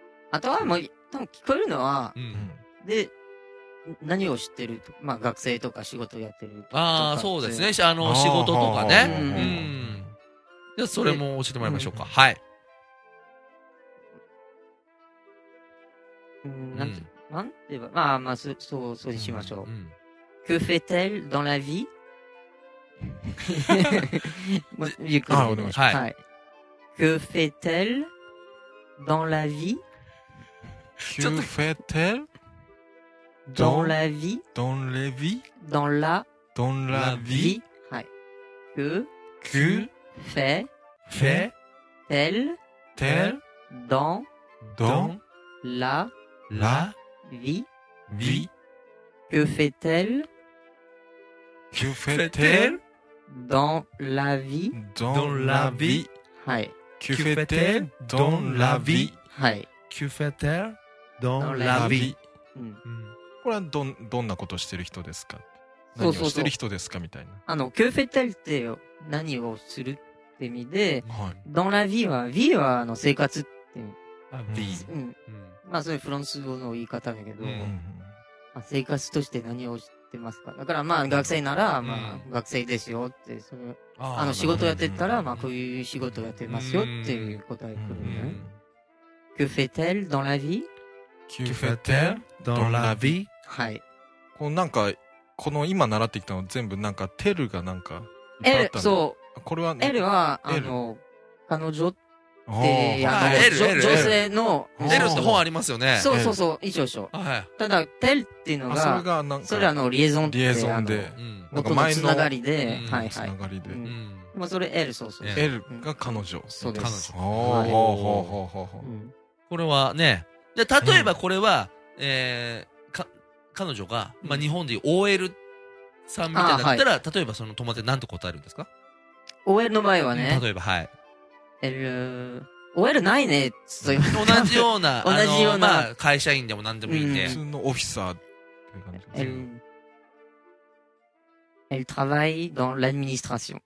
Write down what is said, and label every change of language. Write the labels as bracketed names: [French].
[Japanese] あとはもう、多分聞こえるのは、うん、で、何を知ってる、まあ学生とか仕事やってるとか。ああ、そうですね。あの、仕事とかね。はーはーはーうん。じゃあ、それも教えてもらいましょうか。うん、はい。なんて言えば、まあまあ、そう、そうにしましょう。 [French] Que fait-elle dans la vie? [Japanese] ゆっくりはい、はい、 [French] Que fait-elle dans la vie? Que fait-elle dans la vie? Dans la vie? Dans la, dans la vie? はい Que, que fait, fait telle, telle dans, dans la, la vie? Vie? Que fait-elle? Que fait-elle? Dans la vie. Dans la vie. Hi. Que fait-elle dans la vie? Hi. Que fait-elle dans la vie? [Japanese] これはどんなことしてる人ですか？何をしてる人ですかみたいな。あの、 [French] que fait-elle [Japanese] って何をするって意味で、はい、 [French] dans la vie [Japanese] は、vie はあの生活って。あ、vie。まあ、それフランス語の言い方だけど、まあ、生活として何をしてますか。だからまあ学生ならまあ学生ですよって、うん、それあの仕事やってたらまあこういう仕事やってますよっていう答えくるね。 [French] Que fait-elle dans la vie? Que fait-elle dans la vie? [Japanese] はい。このなんかこの今習ってきたの全部なんかテルがなんかエルそうこれはエ、ね、ルはあの彼女ってあの女性のエルって本ありますよね。そうそうそう、一応一緒。ただ、テルっていうのが、それがなんか、それあの、リエゾンって、リエゾンで、元のつながりで、はいはい。つながりで。まあ、それエル、そうそう。エルが彼女。そうです。彼女。ほうほうほうほうほう。これはね、じゃ例えばこれは、彼女が、まあ、日本でいう OL さんみたいになったら、例えばその友達なんて答えるんですか ?OL の場合はね。例えば、はい。 OL ないね、そういう。同じような、同じような。まあ、会社員でも何でもいいんで。普通のオフィサーって感じ。 [French] Elle travaille dans l'administration.